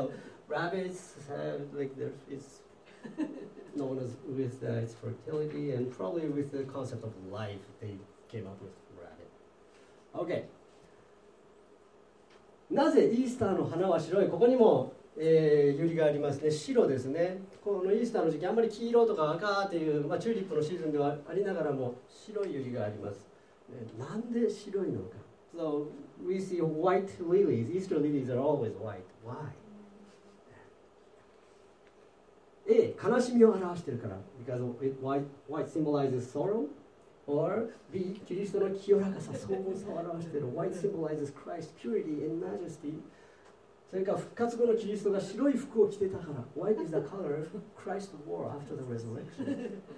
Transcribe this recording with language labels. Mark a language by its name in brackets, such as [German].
[English] So rabbits have like there is known as with its fertility and probably with the concept of life they came up with rabbit. Okay. [Japanese] なぜイースターの花は白い？ここにも、ユリがありますね。白ですね。このイースターの時期あんまり黄色とか赤っていう、まあ、チューリップのシーズンではありながらも白いユリがあります。なんで白いのか。 [English] So we see white lilies. Easter lilies are always white. Why? A. [Japanese] 悲しみを表しているから。 [English] Because white symbolizes sorrow. Or B. [Japanese] キリストの清らかさ、荘厳さを表している。 [English] White symbolizes Christ's purity and majesty. [Japanese] それから復活後のキリストが白い服を着ていたから。 [English] White is the color Christ wore after the resurrection.